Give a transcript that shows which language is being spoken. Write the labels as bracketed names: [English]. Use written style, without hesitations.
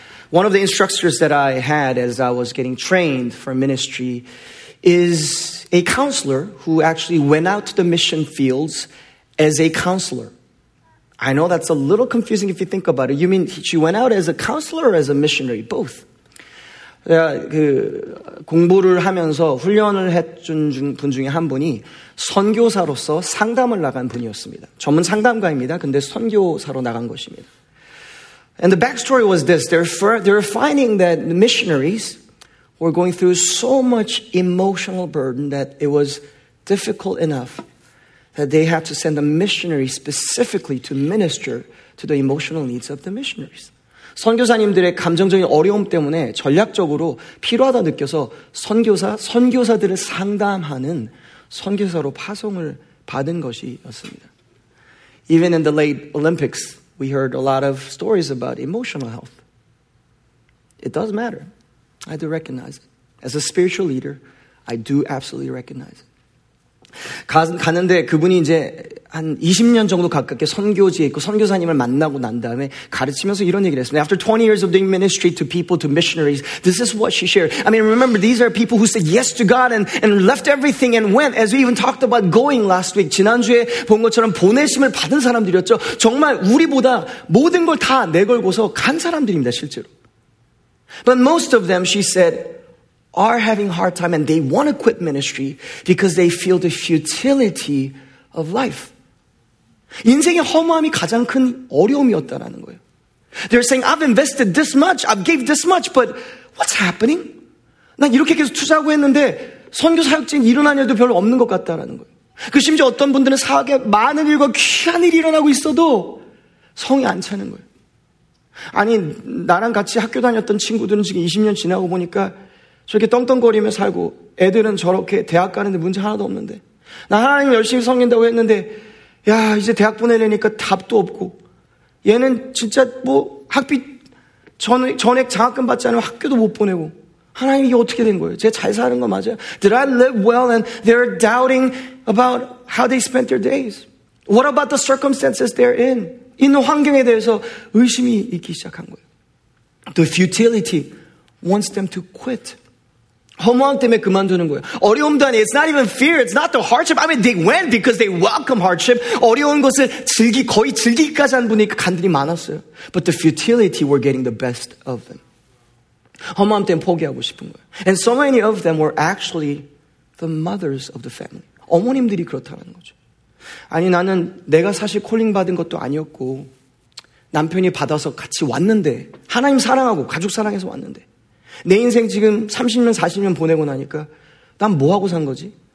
[English] One of the instructors that I had as I was getting trained for ministry is a counselor who actually went out to the mission fields as a counselor. I know that's a little confusing if you think about it. You mean she went out as a counselor or as a missionary? Both. [Korean] 그 공부를 하면서 훈련을 해준 분 중에 한 분이 선교사로서 상담을 나간 분이었습니다. 전문 상담가입니다. 근데 선교사로 나간 것입니다. [English] And the backstory was this. They're finding that the missionaries were going through so much emotional burden that it was difficult enough that they had to send a missionary specifically to minister to the emotional needs of the missionaries. [Korean] 선교사님들의 감정적인 어려움 때문에 전략적으로 필요하다 느껴서 선교사들을 상담하는 선교사로 파송을 받은 것이었습니다. [English] Even in the late Olympics, we heard a lot of stories about emotional health. It does matter. I do recognize it. As a spiritual leader, I do absolutely recognize it. [Korean] 가는데 그분이 이제 한 20년 정도 가깝게 선교지에 있고 선교사님을 만나고 난 다음에 가르치면서 이런 얘기를 했습니다. [English] After 20 years of doing ministry to people, to missionaries, this is what she shared. I mean, remember, these are people who said yes to God and left everything and went, as we even talked about going last week. [Korean] 지난주에 본 것처럼 보내심을 받은 사람들이었죠. 정말 우리보다 모든 걸 다 내걸고서 간 사람들입니다, 실제로. [English] But most of them, she said, are having a hard time and they want to quit ministry because they feel the futility of life. [Korean] 인생의 허무함이 가장 큰 어려움이었다라는 거예요. [English] They're saying, I've invested this much, I've gave this much, but what's happening? [Korean] 난 이렇게 계속 투자하고 했는데 선교사역진 일어난 일도 별로 없는 것 같다라는 거예요. 그 심지어 어떤 분들은 사역에 많은 일과 귀한 일이 일어나고 있어도 성이 안 차는 거예요. 아니, 나랑 같이 학교 다녔던 친구들은 지금 20년 지나고 보니까 저렇게 떵떵거리며 살고 애들은 저렇게 대학 가는데 문제 하나도 없는데 나 하나님 열심히 섬긴다고 했는데 야 이제 대학 보내려니까 답도 없고 얘는 진짜 뭐 학비 전액 장학금 받지 않으면 학교도 못 보내고 하나님 이게 어떻게 된 거예요? 제가 잘 사는 거 맞아요? [English] Did I live well and they're doubting about how they spent their days? What about the circumstances they're in? [Korean] 있는 환경에 대해서 의심이 있기 시작한 거예요. [English] The futility wants them to quit. [Korean] 허무함 때문에 그만두는 거예요. 어려움도 아니에요. [English] It's not even fear. It's not the hardship. I mean, they went because they welcome hardship. [Korean] 어려운 것을 거의 즐기기까지 한 분이 간들이 많았어요. [English] But the futility were getting the best of them. [Korean] 허무함 때문에 포기하고 싶은 거예요. [English] And so many of them were actually the mothers of the family. [Korean] 어머님들이 그렇다는 거죠. 아니, 나는 내가 사실 콜링 받은 것도 아니었고 남편이 받아서 같이 왔는데 하나님 사랑하고 가족 사랑해서 왔는데 내 인생 지금 30년, 40년 보내고 나니까 난 뭐하고 산 거지?